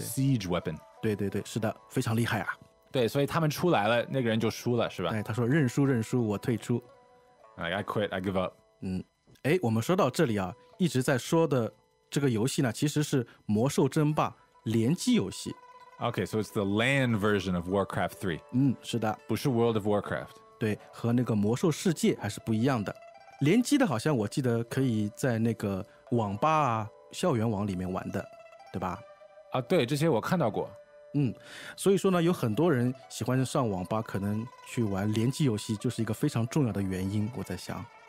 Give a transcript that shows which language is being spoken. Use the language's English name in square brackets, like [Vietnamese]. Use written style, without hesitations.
[English] Siege Weapon [Chinese] 对对对是的非常厉害啊对所以他们出来了那个人就输了是吧对他说认输认输我退出 [English] like, I quit I give up [Chinese] 哎、嗯，我们说到这里啊一直在说的这个游戏呢其实是魔兽争霸联机游戏 [English] OK so it's the LAN version of Warcraft 3 [Chinese] 嗯，是的不是 World of Warcraft 对和那个魔兽世界还是不一样的联机的好像我记得可以在那个网吧啊校园网里面玩的对吧啊，对这些我看到过嗯，所以说呢有很多人喜欢上网吧可能去玩联机游戏就是一个非常重要的原因我在想